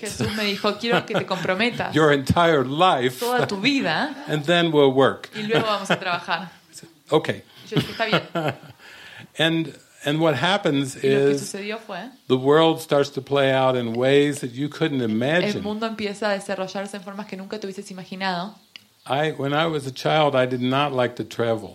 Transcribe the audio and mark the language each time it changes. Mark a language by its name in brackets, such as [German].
[Spanish] Jesús me dijo, quiero que te comprometas. [English] Your entire life. [Spanish] Toda tu vida. [English] And then we'll work. [Spanish] Y luego vamos a trabajar. [English] Okay. [Spanish] Yo dije, está bien. [English] And what happens is the world starts to play out in ways that you couldn't imagine. [Spanish] El mundo empieza a desarrollarse en formas que nunca te hubieses imaginado. [English] When I was a child, I did not like to travel.